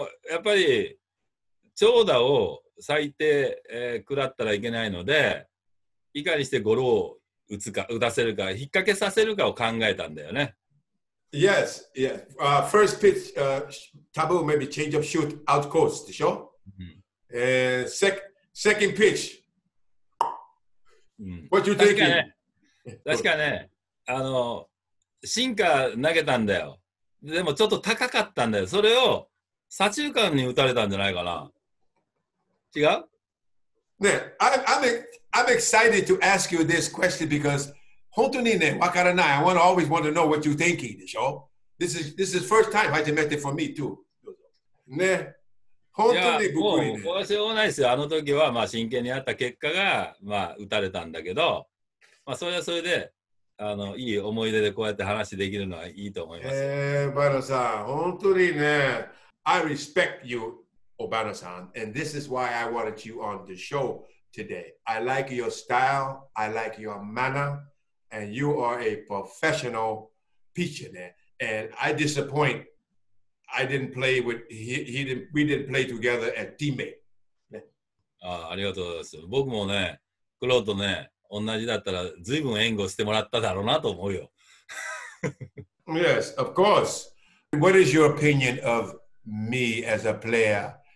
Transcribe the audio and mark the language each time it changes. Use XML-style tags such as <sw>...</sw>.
<ja>やっぱり、長打を、最低、食らったらいけないので、いかにしてゴロを打つか、打たせるか、引っ掛けさせるかを考えたんだよね。</ja> <en>Yes, yes. First pitch, taboo, maybe change of shoot, out course, でしょ、うん、second pitch,、うん、what you thinking?</en> <ja>確かね、シンカー投げたんだよ。でもちょっと高かったんだよ。それを左中間に打たれたんじゃないかな。違う？</ja> <en>ね、I'm excited to ask you this question because</en> <ja>本当にね、わからない。</ja> <en>I always want to know what you're thinking, でしょ？ This is first time I met it for me too.</en> <ja>ね、本当にびっくりね。もうしょうがないですよ。あの時はまあ真剣にやった結果がまあ打たれたんだけど、まあそれはそれでいい思い出でこうやって話できるのはいいと思います。バナさん、本当にね、</ja> <en>I respect you. Obana-san, and this is why I wanted you on the show today. I like your style, I like your manner, and you are a professional pitcher. And I disappoint. I didn't play with he didn't. We didn't play together at teammate.</en> <ja>Ah, ありがとうございます。僕もね、クロとね、同じだったら随分援護してもらっただろうなと思うよ。</ja> <en>Yes, of course. What is your opinion of me as a player?</en>